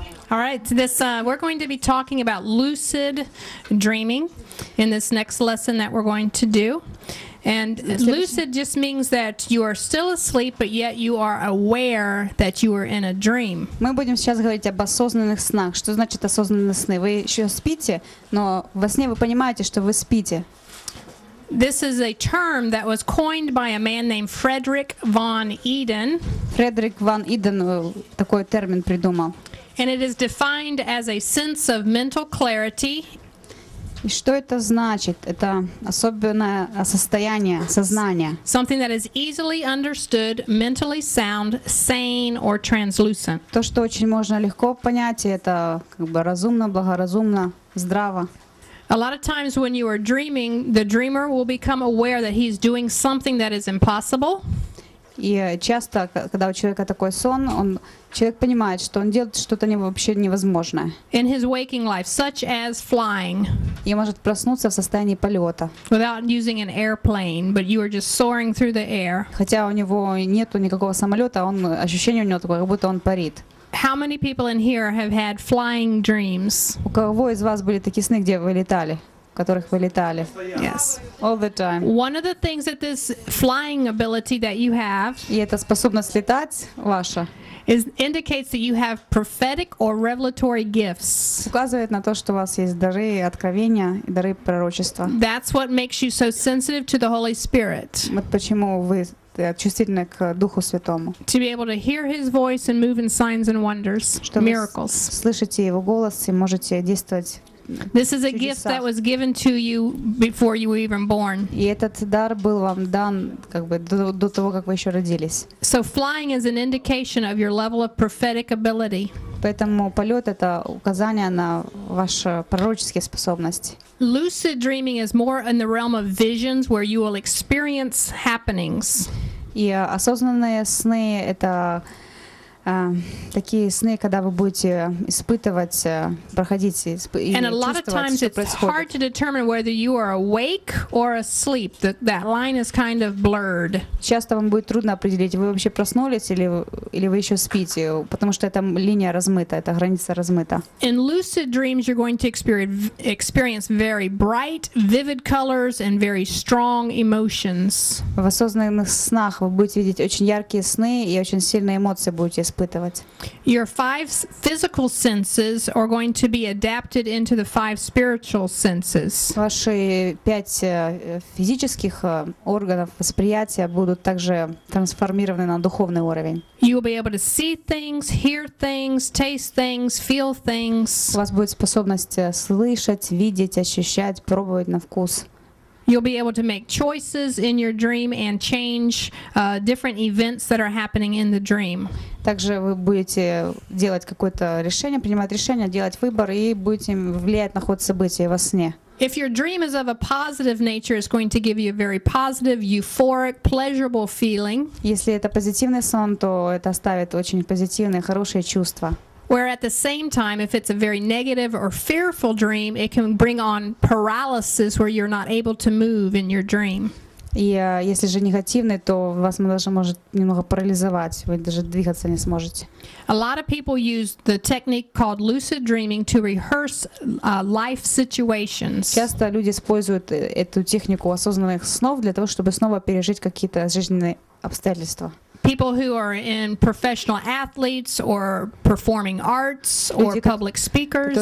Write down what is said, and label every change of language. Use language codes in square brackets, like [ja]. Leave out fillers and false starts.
[en] All right, we're going to be talking about lucid dreaming in this next lesson that we're going to do. And lucid just means that you are still asleep, but yet you are aware that you are in a dream. [ru] Мы будем сейчас говорить об осознанных снах. Что значит осознанные сны? Вы еще спите, но во сне вы понимаете, что вы спите. [en] This is a term that was coined by a man named Frederick von Eden. [ru] Фредерик фон Иден такой термин придумал. [en] And it is defined as a sense of mental clarity. [ru] И что это значит? Это особенное состояние сознания. [en] Something that is easily understood, mentally sound, sane or translucent. [ru] То, что очень можно легко понять, это как бы разумно, благоразумно, здраво. [en] A lot of times when you are dreaming, the dreamer will become aware that he's doing something that is impossible. [ru] И часто, когда у человека такой сон, человек понимает, что он делает что-то вообще невозможное. [en] In his waking life, such as flying. [ru] И может проснуться в состоянии полета. [en] Without using an airplane, but you are just soaring through the air. [ru] Хотя у него нету никакого самолета, ощущение у него такое, как будто он парит. [en] How many people in here have had flying dreams? [ru] У кого из вас были такие сны, где вы летали? Которых вы летали. [en] Yes. All the time. One of the things that this flying ability that you have, [ru] и эта способность летать ваша, [en] is indicates that you have prophetic or revelatory gifts. [ru] Указывает на то, что у вас есть дары откровения и дары пророчества. [en] That's what makes you so sensitive to the Holy Spirit. [ru] Вот почему вы чувствительны к Духу Святому. [en] To be able to hear his voice and move in signs and wonders, miracles. [ru] Слышите его голос и можете действовать. [en] This is a gift that was given to you before you were even born. [ru] И этот дар был вам дан как бы до того, как вы ещё родились. [en] So flying is an indication of your level of prophetic ability. [ru] Поэтому полёт это указание на ваши пророческие способности. [en] Lucid dreaming is more in the realm of visions where you will experience happenings. [ru] И осознанные сны это такие сны, когда вы будете испытывать, проходить [en] and a lot of times it's hard to determine whether you are awake or asleep. That line is kind of blurred. [ru] Часто вам будет трудно определить, вы вообще проснулись или вы еще спите, потому что эта линия размыта, эта граница размыта. [en] In lucid dreams you're going to experience very bright, vivid colors and very strong emotions. [ru] В осознанных снах вы будете видеть очень яркие сны и очень сильные эмоции будете [en] Your five physical senses are going to be adapted into the five spiritual senses. [ru] Ваши пять физических органов восприятия будут также трансформированы на духовный уровень. [en] You will be able to see things, hear things, taste things, feel things. [ru] У вас будет способность слышать, видеть, ощущать, пробовать на вкус. [en] You'll be able to make choices in your dream and change different events that are happening in the dream. [ru] Также вы будете делать какое-то решение, принимать решение, делать выбор и будете влиять на ход событий во сне. [en] If your dream is of a positive nature, it's going to give you a very positive, euphoric, pleasurable feeling. [ru] Если это позитивный сон, то это оставит очень позитивные, хорошие чувства. [en] Where at the same time, if it's a very negative or fearful dream, it can bring on paralysis where you're not able to move in your dream. [ru] И если же негативный, то вас даже может немного парализовать, вы даже двигаться не сможете. [en] A lot of people use the technique called lucid dreaming to rehearse life situations. [ru] Часто люди используют эту технику осознанных снов для того, чтобы снова пережить какие-то жизненные обстоятельства. [en] People who are in professional athletes or performing arts or public speakers.